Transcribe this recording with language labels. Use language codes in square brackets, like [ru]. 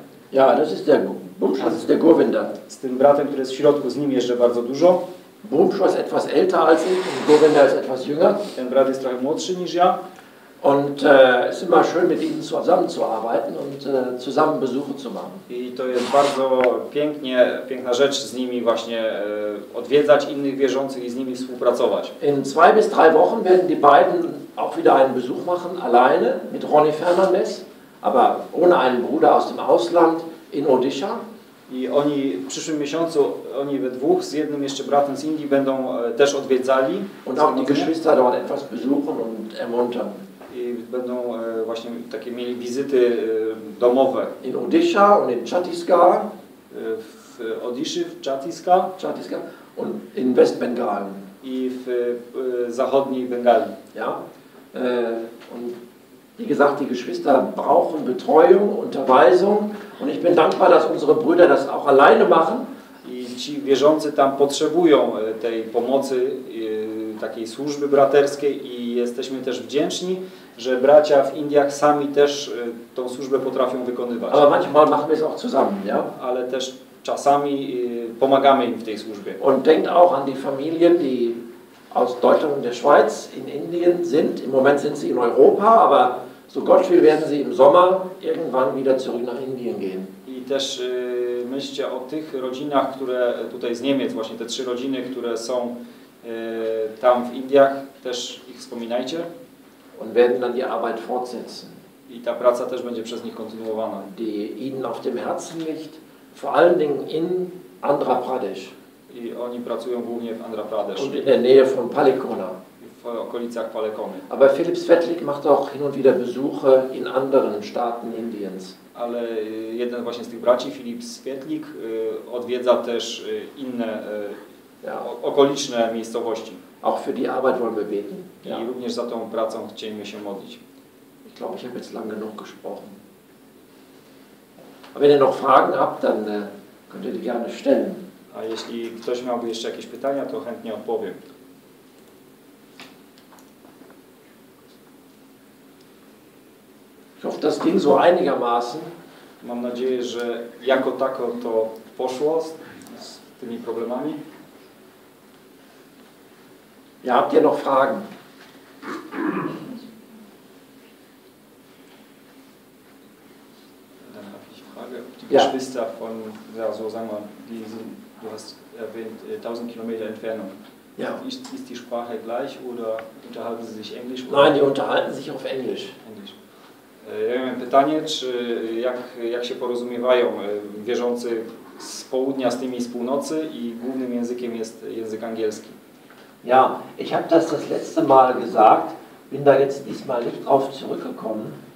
[de] Ja, das ist der Bumsho, das ist der Govinda. [pl] Z tym bratem, który jest w środku, z nim jeżdżę bardzo dużo. [de] Bumsho ist etwas älter als ich, und Govinda ist etwas jünger. [pl] Ten brat jest trochę młodszy niż ja. [de] Und es ist immer schön, mit ihnen zusammenzuarbeiten und zusammen Besuche zu machen. [pl] I to jest bardzo pięknie, piękna rzecz z nimi właśnie odwiedzać innych wierzących i z nimi współpracować. [de] In 2 bis 3 Wochen werden die beiden auch wieder einen Besuch machen, alleine, mit Ronnie Fernandez. Aber ohne einen Bruder aus dem Ausland in Odisha. [pl] I oni w przyszłym miesiącu, oni we dwóch, z jednym jeszcze bratem z Indii, będą też odwiedzali. [de] Und auch die Geschwister dort etwas besuchen und ermuntern. [pl] I będą właśnie takie mieli wizyty domowe. [de] In Odisha und in Chhattisgarh. [pl] W Odiszy, w Chhattisgarh. [de] Chhattisgarh und in West Bengal. [pl] I w zachodniej Bengalii. [de] Ja. Und wie gesagt, die Geschwister brauchen Betreuung, Unterweisung und ich bin dankbar, dass unsere Brüder das auch alleine machen. [pl] I ci wierzący tam potrzebują tej pomocy, takiej służby braterskiej i jesteśmy też wdzięczni, że bracia w Indiach sami też tą służbę potrafią wykonywać. [de] Aber manchmal machen wir es auch zusammen, ja? [pl] Ale też czasami pomagamy im w tej służbie. [de] Und denkt auch an die Familien, die aus Deutschland und der Schweiz in Indien sind. Im Moment sind sie in Europa, aber so Gott will, werden sie im Sommer irgendwann wieder zurück nach Indien gehen. [pl] I też myślcie o tych rodzinach, które tutaj z Niemiec, właśnie te 3 rodziny, które są tam w Indiach, też ich wspominajcie. [de] Und werden dann die Arbeit fortsetzen. [pl] I ta praca też będzie przez nich kontynuowana. [de] Die ihnen auf dem Herzen liegt, vor allen Dingen in Andhra Pradesh. [pl] I oni pracują głównie w Andhra Pradesh. [de] Und in der Nähe von Palikona. [pl] W okolicach Palikony. [de] Aber Philipp Svetlik macht auch hin und wieder Besuche in anderen Staaten Indiens. [pl] Ale jeden właśnie z tych braci, Philipp Svetlik, odwiedza też inne okoliczne miejscowości. [de] Auch für die Arbeit wollen wir beten. [pl] I również za tą pracą chcieliśmy się modlić. [de] Ich glaube, ich habe jetzt lange genug gesprochen. Aber wenn ihr noch Fragen habt, dann könnt ihr die gerne stellen. [pl] A jeśli ktoś miałby jeszcze jakieś pytania, to chętnie odpowiem. [de] Ich hoffe, das ging so einigermaßen. [pl] Mam nadzieję, że jako tako to poszło z tymi problemami. [de] Ja, habt ihr noch Fragen? Dann habe ich Frage, ob die Geschwister von, ja, so sagen wir, die sind. Du hast erwähnt 1000 Kilometer Entfernung. Ja. Ist die Sprache gleich oder unterhalten sie sich Englisch? Nein, die unterhalten sich auf Englisch. Englisch. [pl] Ja, mam pytanie, czy jak się porozumiewają wierzący z południa z tymi z północy i głównym językiem jest język angielski? [de] Ja, ich habe das letzte Mal gesagt, bin da jetzt diesmal nicht drauf zurückgekommen.